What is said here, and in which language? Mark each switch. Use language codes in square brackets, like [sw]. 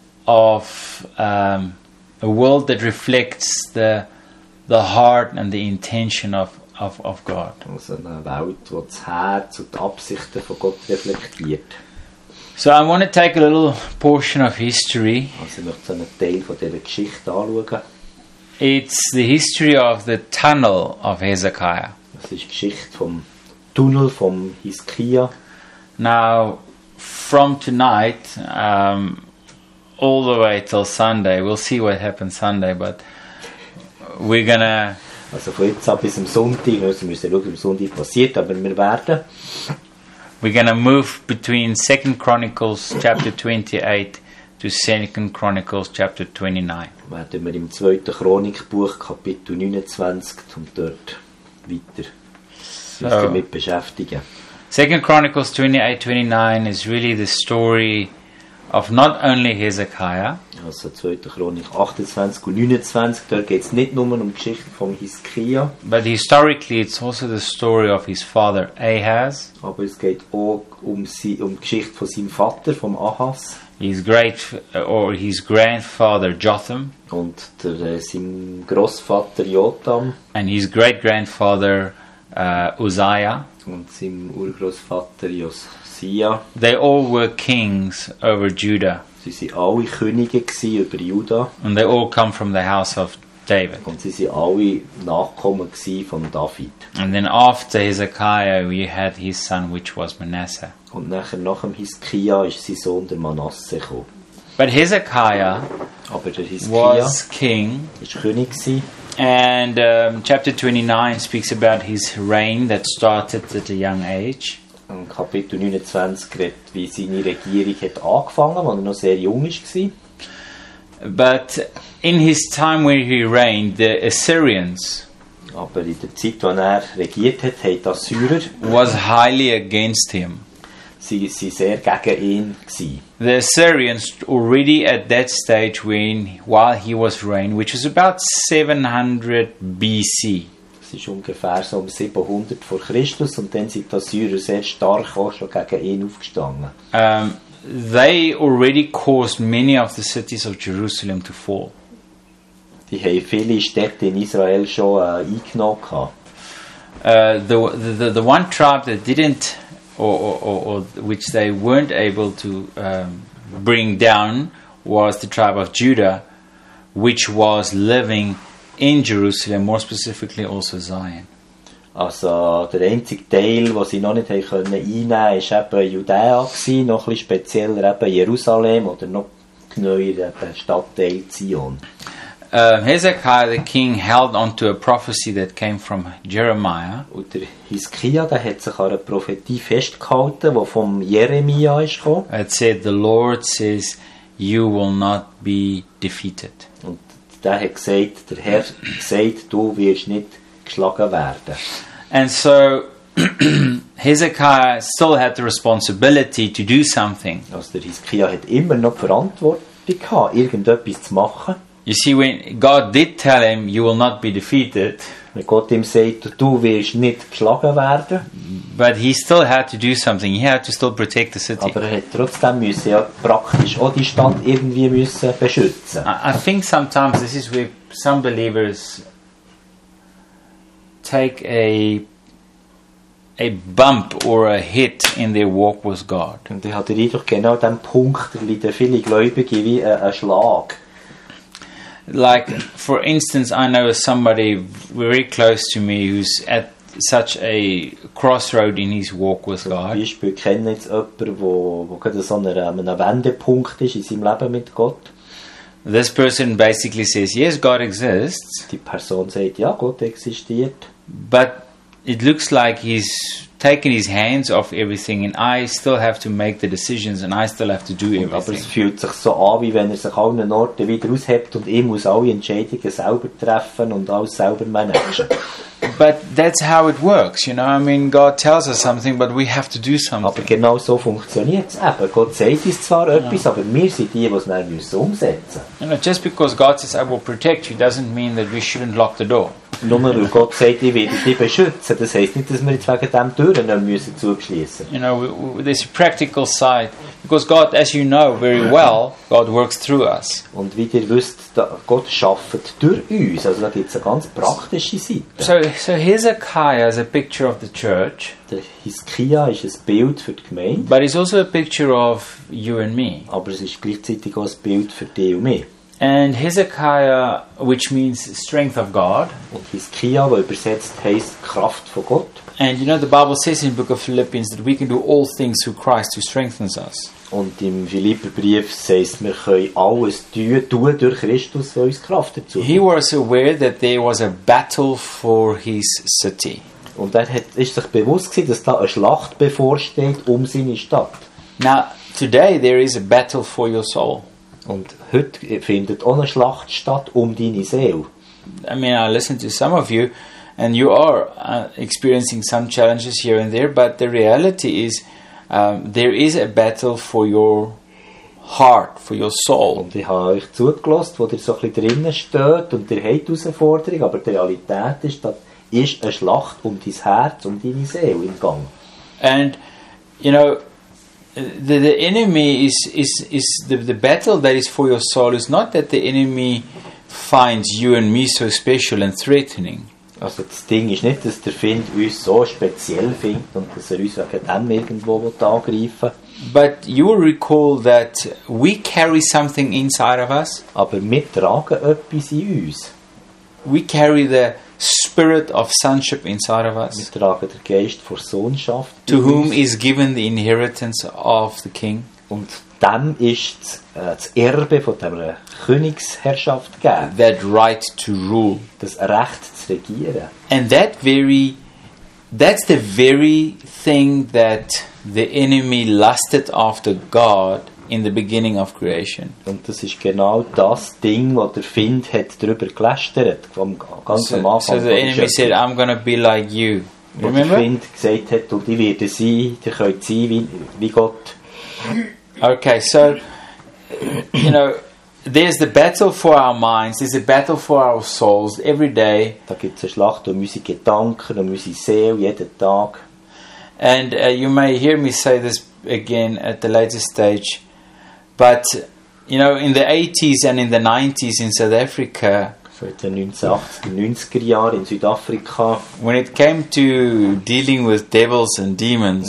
[en] of a world that reflects the heart and the intention of God. [de] Also eine Welt, wo das Herz und die Absichten von Gott reflektiert. [en] So I want to take a little portion of history. [de] Also ich möchte einen Teil von dieser Geschichte anschauen. [en] It's the history of the tunnel of Hezekiah. [de] Das ist die Geschichte vom Tunnel vom Hiskia. [en] Now, from tonight, all the way till Sunday, we'll see what happens Sunday, but we're gonna... [de] Also von jetzt ab bis zum Sonntag, wir müssen schauen, was Sonntag passiert, aber wir werden... [en] We're gonna move between 2 Chronicles chapter 28 to 2 Chronicles chapter 29. [de] Werden wir im 2. Chronikbuch, Kapitel 29, zum dort weiter damit beschäftigen. [en] 2 Chronicles 28-29 is really the story of not only Hezekiah. [de] Also 2. Chronik 28 und 29, dort geht es nicht nur um die Geschichte von Hiskia. [en] But historically it's also the story of his father Ahaz. [de] Aber es geht auch um die Geschichte von seinem Vater, vom Ahaz. [en] His grandfather Jotham. [de] Und sein Grossvater Jotham. [en] And his great-grandfather Uzziah. [de] Und sein Urgroßvater Josiah. [en] They all were kings over Judah. [de] Sie waren alle Könige über Juda. [en] And they all come from the house of David. [de] Und sie waren alle Nachkommen von David. [en] And then after Hezekiah, we had his son, which was Manasseh. [de] Und nachher, nach dem Hiskia, ist sein Sohn der Manasseh gekommen. [en] But Hezekiah, [de] Aber der Hiskia [en] was king. [de] Ist König gsi. [en] And chapter 29 speaks about his reign that started at a young age. [de] Und Kapitel 29 redet, wie seine Regierung hat angefangen, als er noch sehr jung war. [en] But in his time where he reigned, the Assyrians. [de] Aber in der Zeit, wo er regiert hat, hat die Assyrer. [en] Was highly against him. [de] Sie sehr gegen ihn gewesen. [en] The Assyrians already at that stage when while he was reigning, which was about 700 BC. [de] Es ist ungefähr so um 700 vor Christus und dann sind die Assyrer sehr stark auch schon gegen ihn aufgestanden. [en] They already caused many of the cities of Jerusalem to fall. [de] Die haben viele Städte in Israel schon eingenommen. [en] The one tribe that didn't or which they weren't able to bring down was the tribe of Judah, which was living in Jerusalem, more specifically also Zion. [de] Also der einzige Teil, was sie noch nicht können einnehmen, ist eben Judäa gsi, noch ein bisschen spezieller eben Jerusalem oder noch genauer eben Stadtteil Zion. [en] Hezekiah the king held on to a prophecy that came from Jeremiah. [de] Und der Hiskia, der hat sich an eine Prophetie festgehalten, die von Jeremia ist. [en] It said, the Lord says, you will not be defeated. [de] Und der hat gesagt, der Herr sagt, du wirst nicht geschlagen werden. [en] And so Hezekiah still had the responsibility to do something. [de] Also der Hiskia hat immer noch die Verantwortung gehabt, irgendetwas zu machen. [en] You see, when God did tell him, you will not be defeated. [de] Wenn Gott ihm sagt, du wirst nicht geschlagen werden. [en] But he still had to do something. He had to still protect the city. [de] Aber er hat trotzdem müssen ja praktisch auch die Stadt irgendwie müssen beschützen. [en] I think sometimes this is where some believers take a bump or a hit in their walk with God. [de] Und ich hatte doch genau den Punkt, da liegen viele Gläubige wie ein Schlag. [en] Like, for instance, I know somebody very close to me who's at such a crossroad in his walk with God. [de] Zum Beispiel kenne ich jetzt jemanden, der gerade so einen Wendepunkt ist in seinem Leben mit Gott. [en] This person basically says, yes, God exists. [de] Die Person sagt, ja, Gott existiert. [en] But it looks like he's taken his hands off everything and I still have to make the decisions and I still have to do everything. [de] Aber es fühlt sich so an, wie wenn er sich an einen Orten wieder aushebt und ich muss alle Entscheidungen selber treffen und alles selber managen. [en] But that's how it works, you know, I mean, God tells us something, but we have to do something. [de] Aber genau so funktioniert es eben. Gott sagt uns zwar etwas, aber wir sind die, die es dann müssen umsetzen. [en] You know, just because God says, I will protect you, doesn't mean that we shouldn't lock the door. [de] Nur weil Gott sagt, ich werde dich beschützen, das heisst nicht, dass wir jetzt wegen dem Türen nicht müssen zuschliessen. [en] You know, there's a practical side, because God, as you know very well, God works through us. [de] Und wie ihr wisst, Gott schafft durch uns, also da gibt es eine ganz praktische Seite. [en] So Hezekiah is a picture of the church. [de] Der Hiskia ist ein Bild für die Gemeinde. [en] But it's also a picture of you and me. [de] Aber es ist gleichzeitig auch ein Bild für dich und mich. [en] And Hezekiah, which means strength of God. [de] Und Hiskia, wo übersetzt heißt Kraft von Gott. [en] And you know the Bible says in the book of Philippians that we can do all things through Christ who strengthens us. [de] Und im Philipperbrief sagt, wir können alles tun durch Christus, der uns Kraft dazu gibt. [en] He was aware that there was a battle for his city. [de] Und er ist sich bewusst gewesen, dass da eine Schlacht bevorsteht um seine Stadt. [en] Now today there is a battle for your soul. [de] Und heute findet auch eine Schlacht statt um deine Seele. [en] I mean, I listen to some of you, and you are experiencing some challenges here and there, but the reality is, there is a battle for your heart, for your soul. [de] Und ich habe euch zugelassen, wo ihr so ein bisschen drinnen steht und ihr habt Herausforderungen, aber die Realität ist, das ist eine Schlacht um dein Herz, um deine Seele im Gang. [en] And, you know, the enemy is the battle that is for your soul is not that the enemy finds you and me so special and threatening. [de] Also das Ding ist nicht, dass der Feind uns so speziell findet und dass er uns wegen dem irgendwo angreifen will. [en] But you will recall that we carry something inside of us. [de] Aber wir tragen etwas in uns. [en] We carry the spirit of sonship inside of us. [de] Wir tragen den Geist von Sohnschaft. [en] To whom is given the inheritance of the king. [de] Und dem ist das Erbe von der Königsherrschaft gegeben. [en] That right to rule. [de] Das Recht zu regieren. [en] And that very, that's the very thing that the enemy lusted after God in the beginning of creation. [de] Und das ist genau das Ding, was der Find hat drüber gelästert, vom ganzen Anfang. [en] So the enemy said, I'm gonna be like you. Remember? [de] Der Find gesagt hat, und ich werde sein, der könnte sein wie Gott. [en] Okay, so, you know, there's the battle for our minds, there's a battle for our souls every day. [de] Da gibt's eine Schlacht um unsere Gedanken, um unsere Seele jeden Tag. [en] And you may hear me say this again at the later stage, but you know, in the 80s and in the 90s in South Africa, [de] for the 90er Jahre in Südafrika, [en] when it came to dealing with devils and demons,